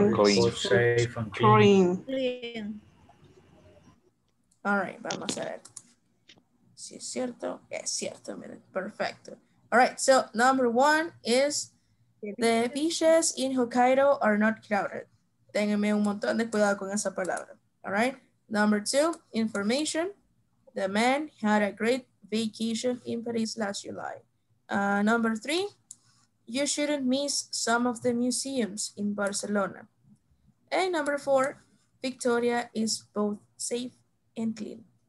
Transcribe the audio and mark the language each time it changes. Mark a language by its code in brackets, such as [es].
[en] is both safe and clean. Clean. All right, [es] vamos a ver. Si es cierto, es cierto, miren, perfecto. [en] All right, so number one is the beaches in Hokkaido are not crowded. [es] Ténganme un montón de cuidado con esa palabra. [en] All right, number two, information. The man had a great vacation in Paris last July. Number three, you shouldn't miss some of the museums in Barcelona. And number four, Victoria is both safe and clean.